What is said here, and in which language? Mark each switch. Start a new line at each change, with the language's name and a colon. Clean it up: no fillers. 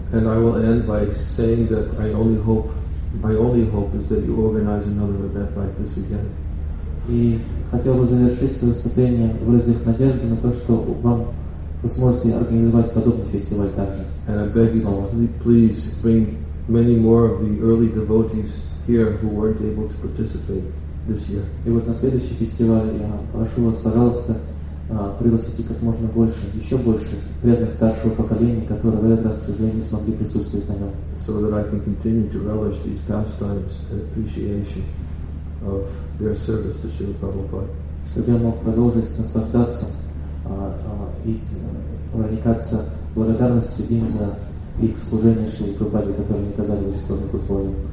English: And I will end by saying that I only hope. My only hope is that you organize another event like this again.
Russian: И хотел бы завершить свое выступление, выразив надежду на то, что вам вы сможете организовать подобный фестиваль также.
English: And I beg you, please bring many more of the early devotees here who weren't able to participate this year.
Russian: И вот на следующий фестиваль я прошу вас, пожалуйста, пригласите как можно больше, еще больше преданных старшего поколения, которые в этот раз, к сожалению, не смогли присутствовать на нем.
English: So that I can continue to relish these pastimes and appreciation of their service to Srila Prabhupada.
Russian: Чтобы я мог продолжить наслаждаться и проникаться благодарностью им за их служение Шри Прабхупаде, которое они оказали в этих сложных условиях.